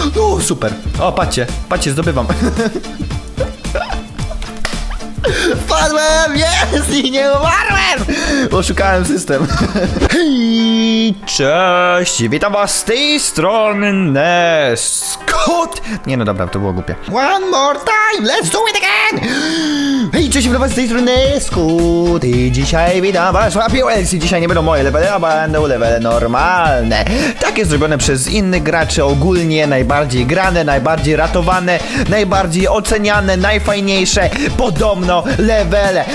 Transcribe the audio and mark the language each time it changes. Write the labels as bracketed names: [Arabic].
[Polish] No super, o patrzcie, patrzcie, zdobywam. Wpadłem, jest i nie umarłem. Oszukałem system. Hej, cześć, witam was z tej strony Neskot. Nie no dobra, to było głupie. [English] One more time, let's do it again. [Polish] Hej, cześć, witam was z tej strony Neskot. I dzisiaj witam was. Dzisiaj nie będą moje levele, a będą levele normalne. Takie zrobione przez innych graczy. Ogólnie najbardziej grane, najbardziej ratowane, najbardziej oceniane, najfajniejsze, podobno levele.